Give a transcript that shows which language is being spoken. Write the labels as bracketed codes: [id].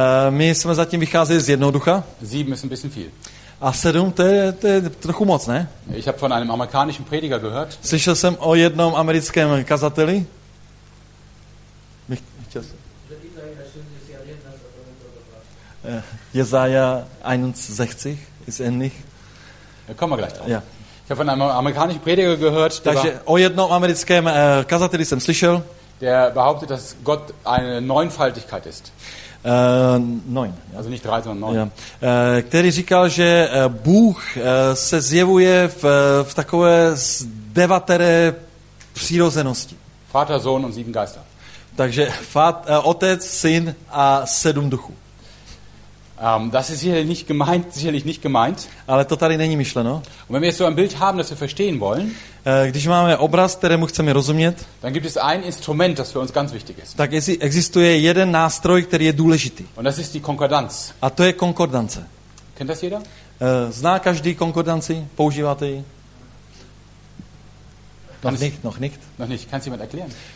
[cs] My jsme zatím vycházeli z jednoho ducha. [de] Sieben ist ein bisschen viel. [cs] A sedm, to je trochu moc, ne? [de] Ich habe von einem amerikanischen Prediger gehört. [cs] Slyšel jsem o jednom americkém kazateli. [de] Jesaja 61 ist ähnlich. Ja, kommen wir gleich drauf. Ja. Ich habe von einem amerikanischen Prediger gehört. [cs] Takže o jednom americkém kazateli jsem slyšel. [de] der behauptet, dass Gott eine Neunfaltigkeit ist. Neun. Ja. Also nicht drei, sondern neun. Ja. [cs] Který říkal, že Bůh se zjevuje v takové devatere přirozenosti. [de] Vater, Sohn und sieben Geister. [cs] Takže Otec, Syn a sedm duchů. [de] Das ist hier nicht gemeint, sicherlich nicht gemeint. [cs] Ale to tady není myšleno. [de] Und wenn wir jetzt so ein Bild haben, das wir verstehen wollen, [cs] když máme obraz, kterému chceme rozumět, [de] dann gibt es ein Instrument, das für uns ganz wichtig ist. [cs] Tak existuje jeden nástroj, který je důležitý. [de] Und das ist die Konkordanz. [cs] A to je konkordance. [de] Kennt das jeder? [cs] Zná každý konkordanci? Používáte ji? [de] Noch nicht. Kannst du jemand erklären?